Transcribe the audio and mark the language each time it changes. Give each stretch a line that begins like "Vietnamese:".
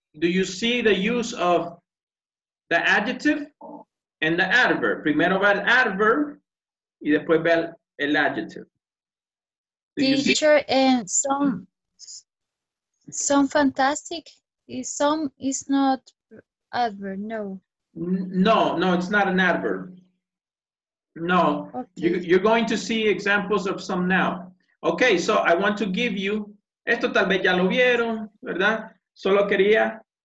English: Do you see the use of the adjective and the adverb?
Spanish: Primero va el adverb y después va el adjective.
English: Teacher, and some fantastic, some is not adverb, no. No, it's not an adverb. No, okay. You're going to see examples of some now. Okay, so I want to give you,
Spanish: esto tal vez ya lo vieron, ¿verdad? Solo quería